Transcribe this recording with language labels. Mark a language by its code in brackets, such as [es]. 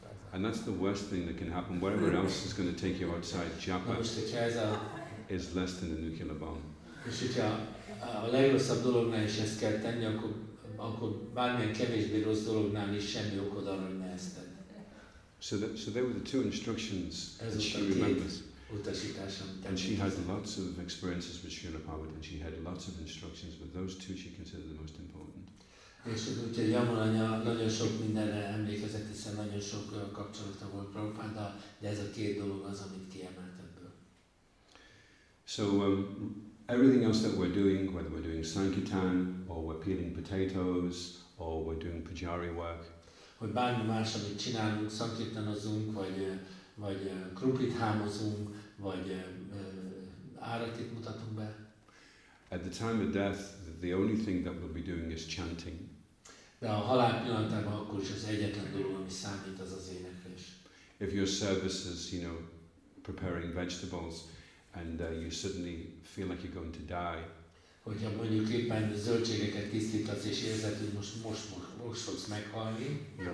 [en] And that's the worst thing that can happen. Whatever else is going to take you outside Japa is less than a nuclear bomb. [hu] És hogyha a legrosszabb dolognál is ezt kell tenni, akkor bármilyen kevésbé rossz dolognál is semmi okod arra, hogy ne ezt tenni. [en] So there were the two instructions that she remembers. And she had lots of experiences with Srila Prabhupada, and she had lots of instructions, but those two she considered the most important. [hu] És úgyhogy Jamal anya nagyon sok mindenre emlékezett, hiszen nagyon sok kapcsolata volt Prabhupada, de ez a két dolog az, amit kiemelt ebből. [en] So, everything else that we're doing, whether we're doing sankirtan, or we're peeling potatoes, or we're doing pujari work. [hu] Hogy bármi más, amit csinálunk, sankirtanozunk, vagy krumplit hámozunk, vagy áratit mutatunk be. [en] At the time of death, the only thing that we'll be doing is chanting. [hu] De a halál pillanatában akkor is az egyetlen dolog, ami számít, az az éneklés. [en] If your service is, you know, preparing vegetables, and you suddenly feel like you're going to die. [hu] Hogyha mondjuk éppen zöldségeket tisztítasz és érzed, hogy most fogsz meghalni.